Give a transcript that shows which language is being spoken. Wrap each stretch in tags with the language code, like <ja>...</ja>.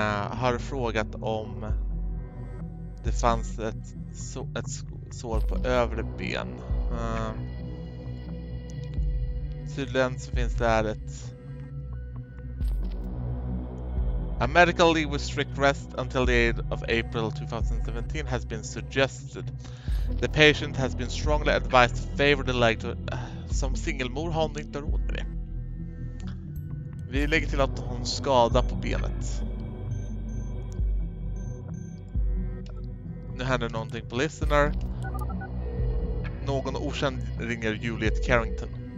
<sv>Har frågat om det fanns ett sår på övre ben. Tydligen så finns det här ett...</sv> <en>A medical leave with strict rest until the end of April 2017 has been suggested. The patient has been strongly advised to favor the leg to...</en> <sv>Som singelmor har hon inte råd med det. Vi lägger till att hon skadar på benet. Nu händer någonting på listener. Någon okänd ringer Juliet Carrington.</sv>